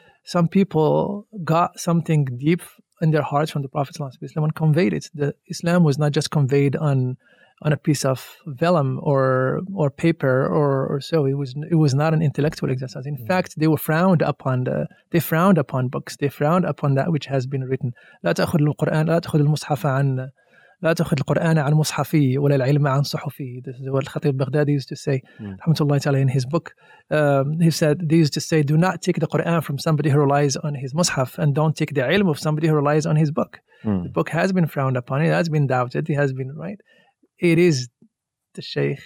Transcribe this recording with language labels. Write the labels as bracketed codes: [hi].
[en] Some people got something deep in their hearts from the Prophet sallallahu alaihi wasallam and conveyed it. The Islam was not just conveyed on a piece of vellum or paper or so. It was not an intellectual exercise. In fact, they were frowned upon. They frowned upon books. They frowned upon that which has been written. [ar] لا تأخذ القرآن لا تأخذ المصحف عن لا تأخذ القرآن عن مصحفي ولا العلم عن صحفي. [en] This is what Khatib Baghdadi used to say. Alhamdulillah ta'ala, in his book, he used to say, do not take the Quran from somebody who relies on his mushaf, and don't take the ilm of somebody who relies on his book. The book has been frowned upon. It has been doubted. It has been right. It is the sheikh.